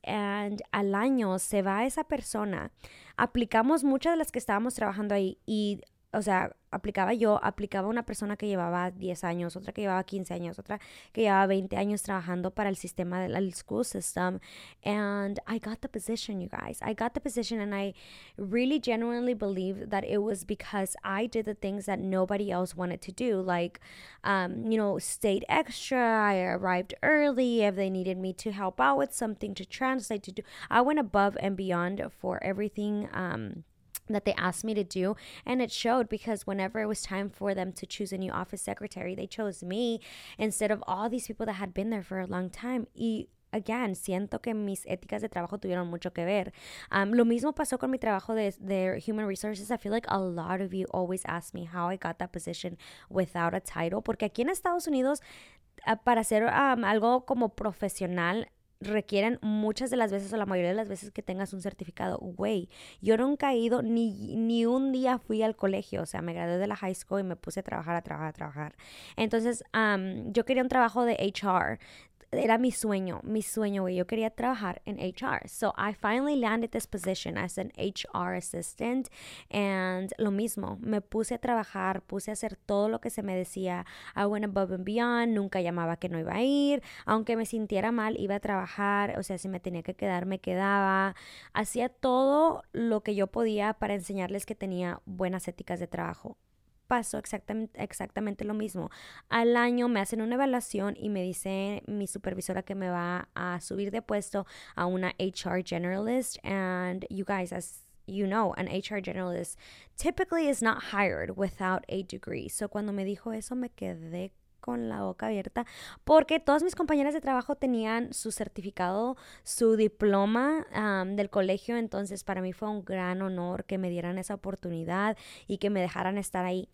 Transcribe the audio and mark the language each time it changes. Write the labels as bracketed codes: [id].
[es] And al año se va esa persona, aplicamos muchas de las que estábamos trabajando ahí, y o sea, aplicaba yo, aplicaba una persona que llevaba 10 años, otra que llevaba 15 años, otra que llevaba 20 años trabajando para el sistema del school system. [en] And I got the position, you guys. I got the position, and I really genuinely believe that it was because I did the things that nobody else wanted to do. Like, you know, stayed extra. I arrived early if they needed me to help out with something, to translate, to do. I went above and beyond for everything. That they asked me to do, and it showed, because whenever it was time for them to choose a new office secretary, they chose me instead of all these people that had been there for a long time. [es] Y again, siento que mis éticas de trabajo tuvieron mucho que ver. Lo mismo pasó con mi trabajo de human resources. [en] I feel like a lot of you always ask me how I got that position without a title, [es] porque aquí en Estados Unidos, para hacer algo como profesional requieren muchas de las veces o la mayoría de las veces que tengas un certificado. Güey, yo nunca he ido ni un día fui al colegio, o sea, me gradué de la high school y me puse a trabajar, a trabajar, a trabajar. Entonces, yo quería un trabajo de HR. Era mi sueño, güey. Yo quería trabajar en HR. [en] So I finally landed this position as an HR assistant. [es] And lo mismo, me puse a trabajar, puse a hacer todo lo que se me decía. [en] I went above and beyond. [es] Nunca llamaba que no iba a ir. Aunque me sintiera mal, iba a trabajar. O sea, si me tenía que quedar, me quedaba. Hacía todo lo que yo podía para enseñarles que tenía buenas éticas de trabajo. Pasó exactamente lo mismo. Al año me hacen una evaluación y me dice mi supervisora que me va a subir de puesto a una HR generalist. [en] And you guys, as you know, an HR generalist typically is not hired without a degree. [es] So cuando me dijo eso, me quedé con la boca abierta, porque todas mis compañeras de trabajo tenían su certificado, su diploma del colegio. Entonces para mí fue un gran honor que me dieran esa oportunidad y que me dejaran estar ahí.